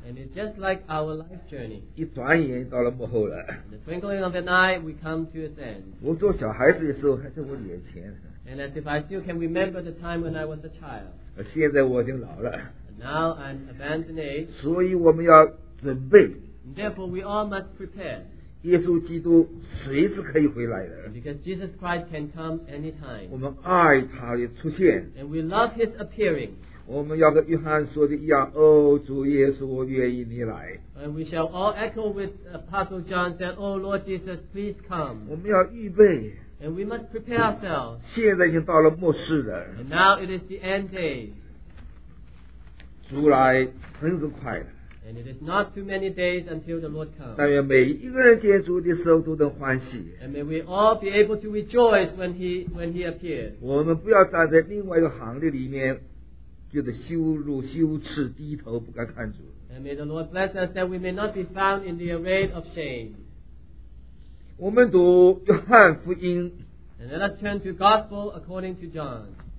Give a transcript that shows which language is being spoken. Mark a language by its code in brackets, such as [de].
[en] and it's just like our life journey. [zh] 一转眼到了幕后了, [en] the twinkling of an eye, we come to its end. [zh] 我做小孩子的时候还在我眼前, [en] and as if I still can remember the time when I was a child. [zh] 现在我已经老了, [en] and now I'm advanced in age. [zh] 所以我们要准备, [en] and therefore we all must prepare. [zh] 耶稣基督随时可以回来的, [en] because Jesus Christ can come anytime. [zh] 我们爱他的出现, [en] and we love his appearing. [zh] 我们要跟约翰说的一样, 哦, 主耶稣, 我愿意你来, [en] and we shall all echo with Apostle John that, oh Lord Jesus, please come. [zh] 我们要预备, [en] and we must prepare ourselves. [zh] 现在已经到了末世了, [en] and now it is the end day. [zh] 主来真是快了, [en] and it is not too many days until the Lord comes. [zh] 但愿每一个人见主的时候都能欢喜, [en] and may we all be able to rejoice when he appears. [zh] 我们不要站在另外一个行列里面, 就是羞辱羞耻, 低头不敢看主, [en] and may the Lord bless us that we may not be found in the array of shame. [zh] 我们读约翰福音, [en] and let us turn to Gospel according to John.